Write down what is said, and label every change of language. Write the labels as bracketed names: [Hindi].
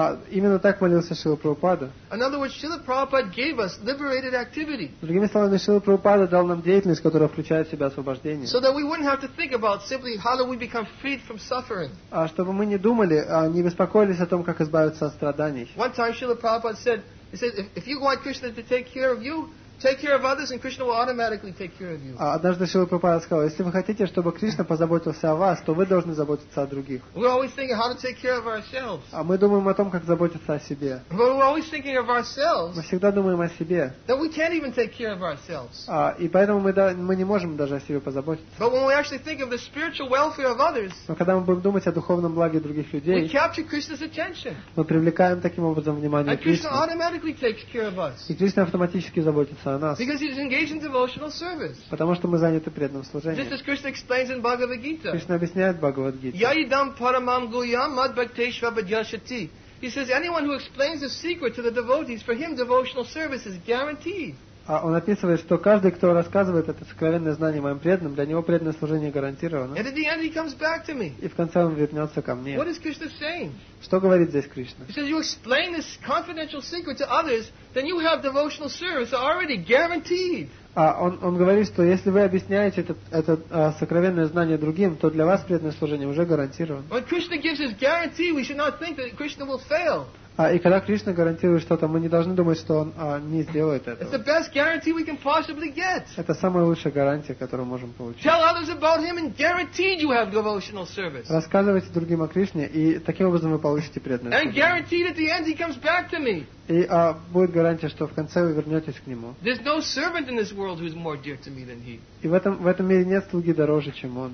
[Russian] Именно так молился Шрила Прабхупада. [English] In other words, Srila Prabhupada gave us liberated activity. [Russian] Другими словами, Шрила Прабхупада дал нам деятельность, которая включает в себя освобождение. [English] So that we wouldn't have to think about simply how do we become freed from suffering. [Russian] Чтобы мы не думали, не беспокоились о том, как избавиться от страданий. [English] One time Srila Prabhupada said, he said, if you want Krishna to take care of you, take care of others and Krishna will automatically take care of you. [Russian] Однажды Шрила Прабхупада сказал, если вы хотите, чтобы Кришна позаботился о вас, то вы должны заботиться о других. [English] We're always thinking how to take care of ourselves. [Russian] Мы думаем о том, как заботиться о себе. [English] But we're always thinking of ourselves. [Russian] Мы всегда думаем о себе. [English] That we can't even take care of ourselves. [Russian] И поэтому мы не можем даже о себе позаботиться. [English] But when we actually think of the spiritual welfare of others, [Russian] но когда мы будем думать о духовном благе других людей, [English] we capture Krishna's attention. [Russian] Мы привлекаем таким образом внимание [English] Кришны. And Krishna automatically takes care of us. [Russian] И Кришна автоматически заботится. [English] Because he's engaged in devotional service. [Russian] Потому что мы заняты преданным служением. [English] Just as Krishna explains in Bhagavad Gita. [Russian] Кришна объясняет в Бхагавад Гите. [Sanskrit] Я идам парамам гуям мад бхактейшва бджашати. [English] He says anyone who explains the secret to the devotees, for him devotional service is guaranteed. [Russian] Он описывает, что каждый, кто рассказывает это сокровенное знание моим преданным, для него преданное служение гарантировано. [English] And at the end he comes back to me. [Russian] И в конце он вернется ко мне. [English] What is Krishna saying? [Russian] Что говорит здесь Кришна? [English] He says you explain this confidential secret to others, then you have devotional service already guaranteed. [Russian] Он говорит, что если вы объясняете это сокровенное знание другим, то для вас преданное служение уже гарантировано. [English] When Krishna gives his guarantee, we should not think that Krishna will fail. [Russian] И когда Кришна гарантирует что-то, мы не должны думать, что он не сделает этого. [English] It's the best guarantee we can possibly get. [Russian] Это самая лучшая гарантия, которую мы можем получить. [English] Tell others about him and guaranteed you have devotional service. [Russian] Рассказывайте другим о Кришне, и таким образом вы получите преданное служение. [English] And guaranteed at the end he comes back to me. [Russian] И будет гарантия, что в конце вы вернетесь к нему. [English] There's no servant in this world who's more dear to me than he. [Russian] И в этом мире нет слуги дороже, чем он.